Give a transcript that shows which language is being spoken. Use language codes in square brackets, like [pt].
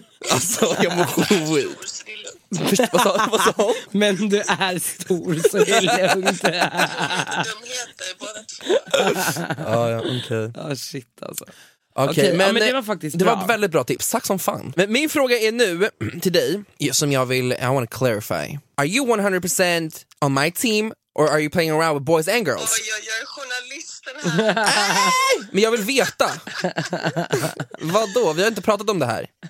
[sv] Alltså, jag mår skit. Vad sa hon? Men du är stor, så det är lugnt. Dumheter, båda två. Ja, okej. Ja, shit alltså. Okej, men det var faktiskt det bra. Det var väldigt bra tips, tack som fan. Men min fråga är nu till dig, som jag vill, [en] I want to clarify. Are you 100% on my team, or are you playing around with boys and girls? [sv] Jag är journalisten här. Men jag vill veta. Vadå, vi har inte pratat om det här.